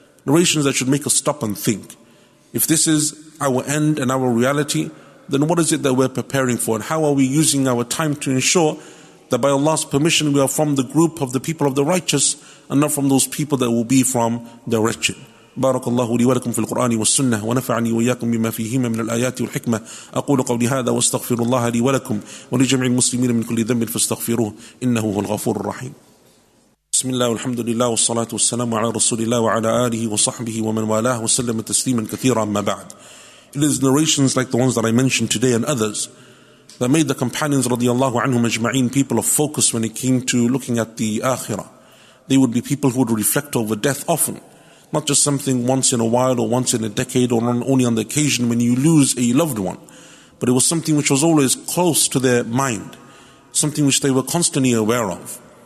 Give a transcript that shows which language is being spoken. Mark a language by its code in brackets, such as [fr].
[en] Narrations that should make us stop and think. If this is our end and our reality, then what is it that we're preparing for? And how are we using our time to ensure that by Allah's permission we are from the group of the people of the righteous and not from those people that will be from the wretched? [ar] بارك الله لي ولكم في القرآن والسنة ونفعني وإياكم بما فيهما من الآيات والحكمة أقول قولي هذا واستغفر الله لي ولكم ولجميع المسلمين من كل ذنب فاستغفروه إنه هو الغفور الرحيم. بسم الله والحمد لله والصلاة والسلام على رسول الله وعلى آله وصحبه ومن والاه وسلم تسليما كثيرا ما بعد. [en] It is narrations like the ones that I mentioned today and others that made the companions [ar] رضي الله عنهم أجمعين [en] people of focus when it came to looking at the Akhirah. They would be people who would reflect over death often, not just something once in a while or once in a decade or only on the occasion when you lose a loved one, but it was something which was always close to their mind, something which they were constantly aware of.